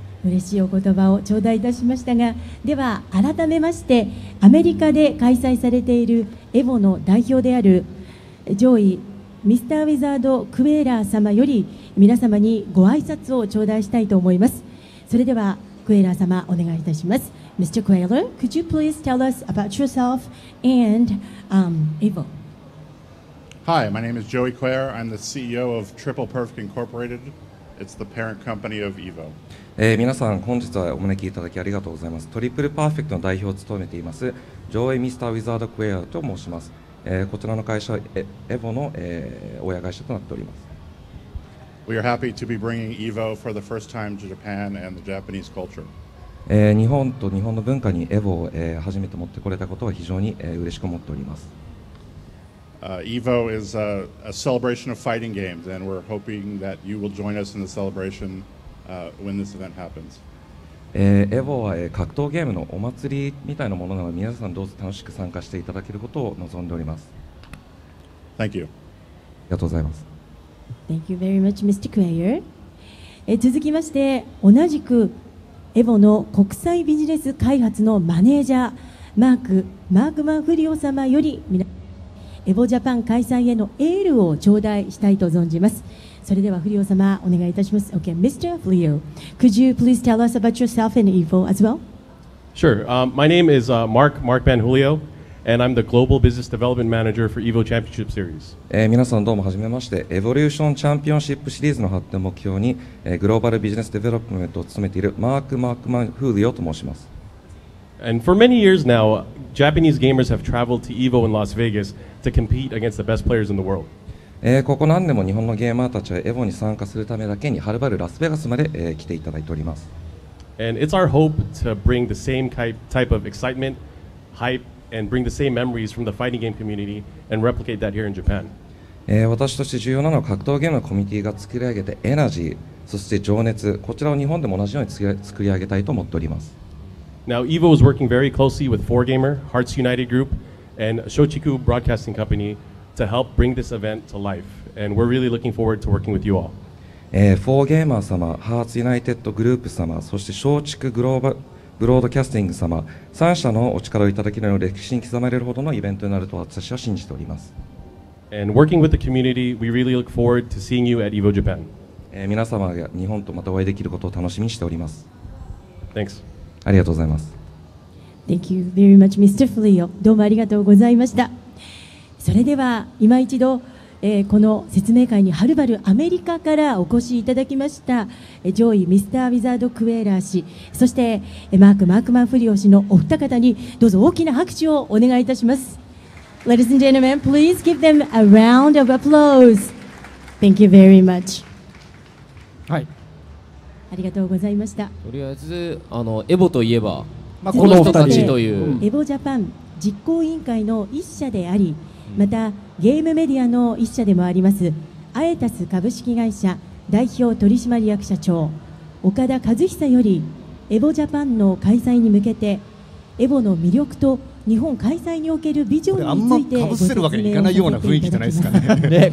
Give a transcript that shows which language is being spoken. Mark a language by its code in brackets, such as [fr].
[ja] 嬉しいお言葉を頂戴いたしましたが、では改めまして、アメリカで開催されているエボの代表である上位ミスターウィザードクエーラー様より皆様にご挨拶を頂戴したいと思います。それではクエーラー様、お願いいたします。 [en] Mr. Quayler, could you please tell us about yourself and Evo? Hi, my name is Joey Quayler. I'm the CEO of Triple Perfect Incorporated. It's the parent company of Evo. [ja] 皆さん、本日はお招きいただきありがとうございます。トリプルパーフェクトの代表を務めていますジョーイ・ミスターウィザードクエーラーと申します。こちらの会社はエボの、親会社となっております。 [en] We are happy to be bringing EVO for the first time to Japan and the Japanese culture. [ja] 日本と日本の文化にエボを、初めて持ってこれたことは非常に、嬉しく思っております。 [en] EVO is a celebration of fighting games, and we're hoping that you will join us in the celebration when this event happens. [ja] EVO は格闘ゲームのお祭りみたいなものなので、皆さんどうぞ楽しく参加していただけることを望んでおります。 [en] Thank you. [ja] ありがとうございます。 [en] Thank you very much, Mr. Quayer. [ja] 続きまして、同じく EVO の国際ビジネス開発のマネージャー、マークマンフリオ様より、EVO JAPAN 開催へのエールを頂戴したいと存じます。それではフリオ様、お願いいたします。 [en] Okay, Mr. Fleo, could you please tell us about yourself and EVO as well? Sure. My name is Mark Banjulio, and I'm the Global Business Development Manager for EVO Championship Series. [ja] 皆さんどうもはじめまして。Evolution Championship シリーズの発展を目標に、グローバルビジネスデベロップメントを務めているマークマンフリオと申します。 [en] And for many years now, Japanese gamers have traveled to EVO in Las Vegas to compete against the best players in the world. [ja] ここ何年も日本のゲーマーたちはEVOに参加するためだけにはるばるラスベガスまで、来ていただいております。 [en] And it's our hope to bring the same type of excitement, hype, and bring the same memories from the fighting game community and replicate that here in Japan. [ja] 私として重要なのは格闘ゲームのコミュニティが作り上げたエナジー、そして情熱、こちらを日本でも同じように作り上げたいと思っております。 [en] Now EVO is working very closely with 4Gamer, Hearts United Group, and Shochiku Broadcasting CompanyTo help bring this event to life, and we're really looking forward to working with you all. [ja] Four Gamer 様、Hearts United Group 様、そして松竹グローバルブロードキャスティング様、三社のお力をいただきのように歴史に刻まれるほどのイベントになると私は信じております。 [en] And working with the community, we really look forward to seeing you at EVO Japan. [ja] 皆様が日本とまたお会いできることを楽しみにしております。 [en] Thanks. [ja] ありがとうございます。 [en] Thank you very much, Mr. Fleo. [ja] どうもありがとうございました。それでは今一度、この説明会にはるばるアメリカからお越しいただきました、上位ミスターウィザードクエーラー氏、そして、マークマンフリオ氏のお二方にどうぞ大きな拍手をお願いいたします。 [en] Ladies and gentlemen, please give them a round of applause. Thank you very much. [ja] はい、ありがとうございました。とりあえずエボといえば、まあ、この人たちという、エボジャパン実行委員会の一社であり、またゲームメディアの一社でもありますアエタス株式会社代表取締役社長岡田和久よりエボジャパンの開催に向けてエボの魅力と日本開催におけるビジョンについてご説明をさせていただきます。これあんま被せるわけにいかないような雰囲気じゃないですかね。